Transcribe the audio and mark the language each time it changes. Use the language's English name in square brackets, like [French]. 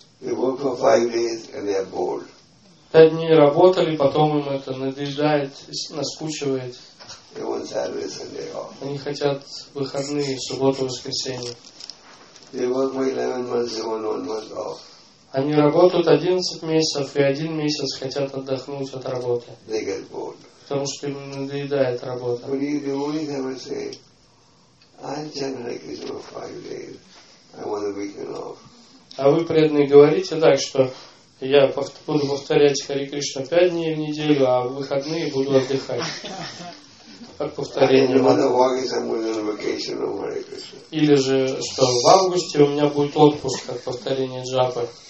[English] They work for 5 days and they are bored. [Russian] 5 дней работали, потом им это надоедает, наскучивает. [English] They want Saturday, Sunday off. [Russian] Они хотят выходные, субботу, воскресенье. [English] They work for 11 months, they want 1 month off. [Russian] Они работают 11 месяцев и 1 месяц хотят отдохнуть от работы. [English] They get bored. [Russian] Потому что им надоедает работа. [English] But if you only ever say, I'm generally busy for 5 days, I want a weekend off. [Russian] А вы, преданные, говорите так, что я буду повторять Хари Кришна 5 дней в неделю, а в выходные буду отдыхать. От повторения. [English] And in August, I'm going on vacation of Hare Krishna. [Russian] Или же, что в августе у меня будет отпуск от повторения джапы.